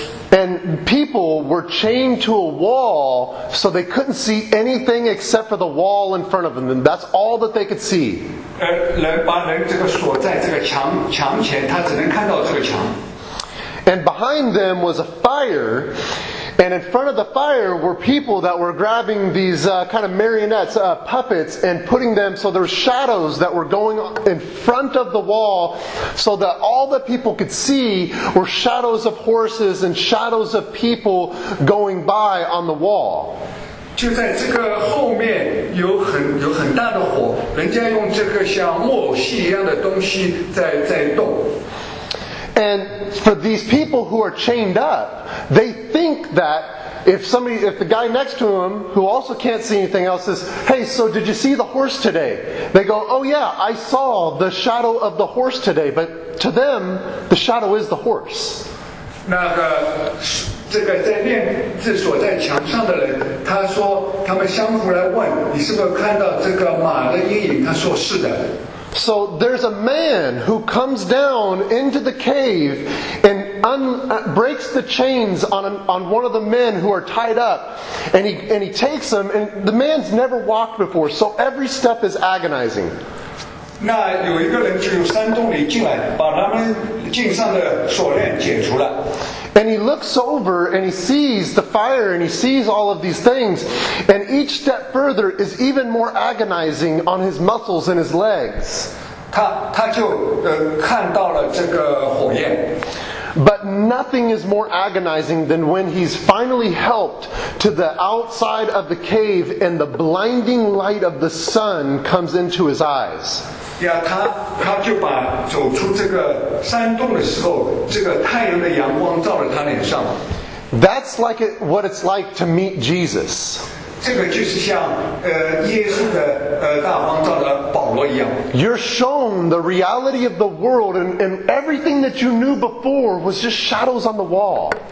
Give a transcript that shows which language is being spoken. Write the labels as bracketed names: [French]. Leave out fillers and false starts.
[English] And people were chained to a wall, so they couldn't see anything except for the wall in front of them. And that's all that they could see. [Chinese] 人把人这个锁在这个墙前，他只能看到这个墙。 [English] And behind them was a fire. And in front of the fire were people that were grabbing these kind of marionettes, puppets, and putting them, so there were shadows that were going in front of the wall so that all the people could see were shadows of horses and shadows of people going by on the wall. [Chinese] 就在这个后面有很大的火，人家用这个像木偶戏一样的东西在动。 [English] And for these people who are chained up, they think that if the guy next to him, who also can't see anything else, says, hey, so did you see the horse today? They go, oh yeah, I saw the shadow of the horse today. But to them, the shadow is the horse. [Chinese] 那个这个在链子锁在墙上的人，他说他们相互来问，你是不是看到这个马的阴影？他说是的。 [English] So there's a man who comes down into the cave and breaks the chains on one of the men who are tied up, and he takes them, and the man's never walked before, so every step is agonizing. [Chinese] 那有一个人就从山洞里进来，把他们颈上的锁链解除了。 [English] And he looks over and he sees the fire and he sees all of these things, and each step further is even more agonizing on his muscles and his legs. [Chinese] 他就看到了这个火焰。 [English] But nothing is more agonizing than when he's finally helped to the outside of the cave and the blinding light of the sun comes into his eyes. [Chinese] Yeah, 他就把走出这个山洞的时候，这个太阳的阳光照了他脸上。 [English] That's like what it's like to meet Jesus. [Chinese] 这个就是像耶稣的大光照了。 [English] You're shown the reality of the world, and everything that you knew before was just shadows on the wall.